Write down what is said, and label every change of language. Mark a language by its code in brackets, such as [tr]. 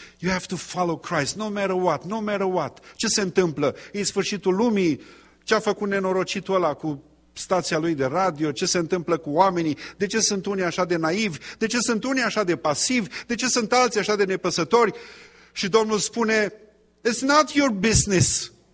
[en] You have to follow Christ. No matter what, no matter what. [ro] Ce se întâmplă? E sfârșitul lumii? Ce a făcut nenorocitul ăla cu stația lui de radio? Ce se întâmplă cu oamenii? De ce sunt unii așa de naivi? De ce sunt unii așa de pasivi? De ce sunt alții așa de nepăsători? Și Domnul spune, [en] it's not your business.